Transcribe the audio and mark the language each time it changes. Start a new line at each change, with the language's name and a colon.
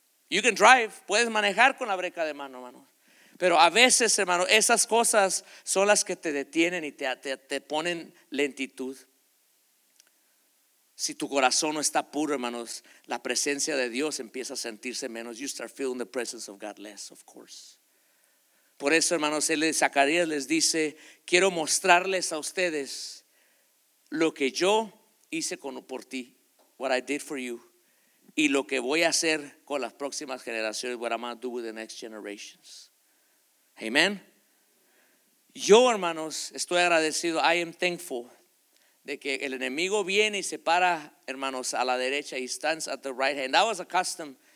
English: You can drive,
Spanish: puedes manejar con la breca de mano, hermano. Pero a veces, hermano, esas cosas son las que te detienen y te ponen lentitud. Si tu corazón no está puro, hermanos, la presencia de Dios empieza a sentirse menos.
English: You start feeling the presence of God less, of course.
Spanish: Por eso, hermanos, él de Zacarías les dice, quiero mostrarles a ustedes lo que yo hice por ti,
English: what I did for you.
Spanish: y lo que voy a hacer con las próximas generaciones.
English: What I'm going to do with the next generations. Amen.
Spanish: Yo, hermanos, estoy agradecido.
English: I am thankful
Spanish: de que el enemigo viene y se para, hermanos, a la derecha.
English: He stands at the right hand. That was a custom.